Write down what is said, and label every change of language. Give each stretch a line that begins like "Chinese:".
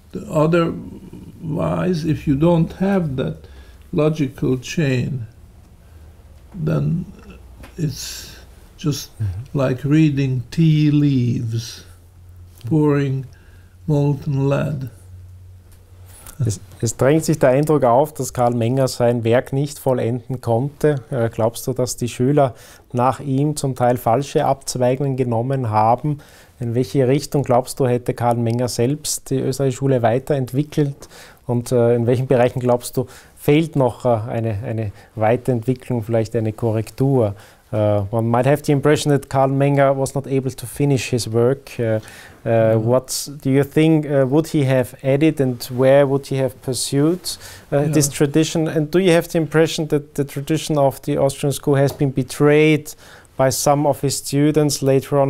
English: Otherwise, if you don't have that logical chain, then it's just like reading tea leaves, pouring molten lead.
German: Es drängt sich der Eindruck auf, dass Karl Menger sein Werk nicht vollenden konnte. Glaubst du, dass die Schüler nach ihm zum Teil falsche Abzweigungen genommen haben? In welche Richtung, glaubst du, hätte Karl Menger selbst die österreichische Schule weiterentwickelt? Und in welchen Bereichen, glaubst du, fehlt noch eine Weiterentwicklung, vielleicht eine Korrektur?
English: One might have the impression that Karl Menger was not able to finish his work. What do you think, would he have added, and where would he have pursued this tradition? And do you have the impression that the tradition of the Austrian school has been betrayed by some of his students later on?